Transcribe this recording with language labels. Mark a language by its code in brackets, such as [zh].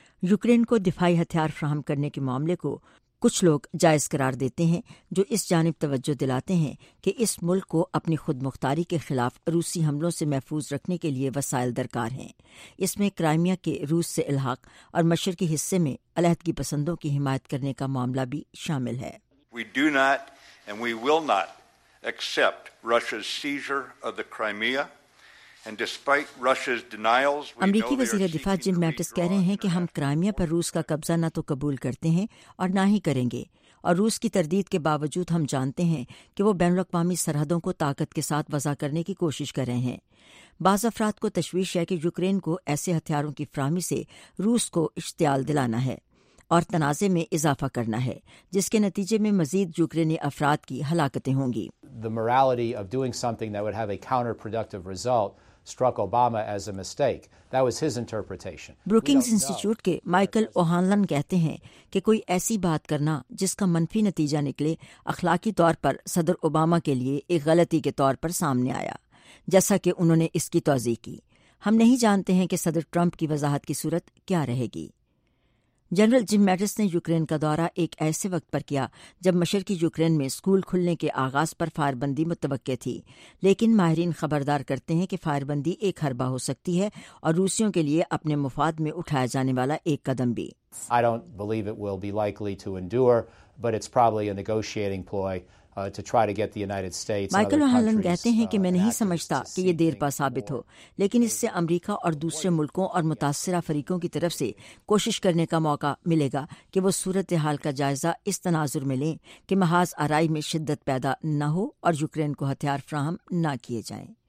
[ur] Ukraine کو دفاعی ہتھیار فراہم کرنے کے معاملے کو کچھ لوگ جائز قرار دیتے ہیں جو اس جانب توجہ دلاتے ہیں کہ اس ملک کو اپنی خود مختاری کے خلاف روسی حملوں سے محفوظ رکھنے کے لیے وسائل درکار ہیں۔ اس میں کرائمیا کے روس سے الحاق اور مشرقی حصے میں علیحدگی پسندوں کی حمایت کرنے کا معاملہ بھی شامل ہے۔ [en] We do not and we will not accept Russia's seizure of the Crimea. [ur] امریکی وزیر دفاع جم میٹس کہہ رہے ہیں کہ ہم کرائمیا پر روس کا قبضہ نہ تو قبول کرتے ہیں اور نہ ہی کریں گے، اور روس کی تردید کے باوجود ہم جانتے ہیں کہ وہ بین الاقوامی سرحدوں کو طاقت کے ساتھ وضع کرنے کی کوشش کر رہے ہیں. بعض افراد کو تشویش ہے کہ یوکرین کو ایسے ہتھیاروں کی فراہمی سے روس کو اشتعال دلانا ہے اور تنازع میں اضافہ کرنا ہے، جس کے نتیجے میں مزید یوکرینی افراد کی ہلاکتیں ہوں گی. [en] The morality of doing something that would have a counterproductive result struck Obama as a mistake. That was his interpretation. [ur] Brookings Institute کے مائیکل اوہانلن کہتے ہیں کہ کوئی ایسی بات کرنا جس کا منفی نتیجہ نکلے اخلاقی طور پر صدر اوباما کے لیے ایک غلطی کے طور پر سامنے آیا، جیسا کہ انہوں نے اس کی توضیح کی. ہم نہیں جانتے ہیں کہ صدر ٹرمپ کی وضاحت کی صورت کیا رہے گی. جنرل جم میٹس نے یوکرین کا دورہ ایک ایسے وقت پر کیا جب مشرقی یوکرین میں اسکول کھلنے کے آغاز پر فائر بندی متوقع تھی، لیکن ماہرین خبردار کرتے ہیں کہ فائر بندی ایک حربہ ہو سکتی ہے اور روسیوں کے لیے اپنے مفاد میں اٹھایا جانے والا ایک قدم بھی. [en] I don't believe it will be likely to endure, but it's probably a negotiating ploy. [ur] Michael ہالن کہتے ہیں کہ میں نہیں سمجھتا کہ یہ دیر پا ثابت ہو، لیکن اس سے امریکہ اور دوسرے ملکوں اور متاثرہ فریقوں کی طرف سے کوشش کرنے کا موقع ملے گا کہ وہ صورتحال کا جائزہ اس تناظر میں لیں کہ محاذ آرائی میں شدت پیدا نہ ہو اور یوکرین کو ہتھیار فراہم نہ کیے جائیں.